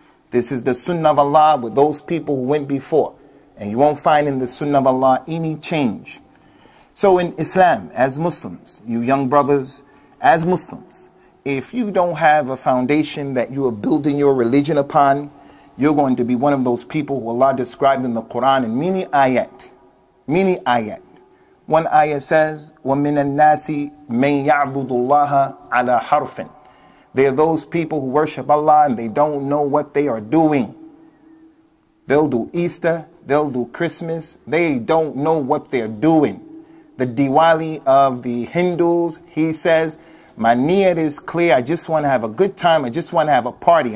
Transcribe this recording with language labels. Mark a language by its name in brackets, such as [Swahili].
[English] This is the sunnah of Allah with those people who went before. And you won't find in the sunnah of Allah any change. So in Islam, as Muslims, you young brothers, as Muslims, if you don't have a foundation that you are building your religion upon, you're going to be one of those people who Allah described in the Quran in many ayat. Many ayat. One ayat says, [Arabic] وَمِنَ النَّاسِ مَنْ يَعْبُدُ اللَّهَ عَلَى حَرْفٍ. [English] They are those people who worship Allah and they don't know what they are doing. They'll do Easter, they'll do Christmas, they don't know what they're doing. The Diwali of the Hindus, he says, my niyat is clear, I just want to have a good time, I just want to have a party.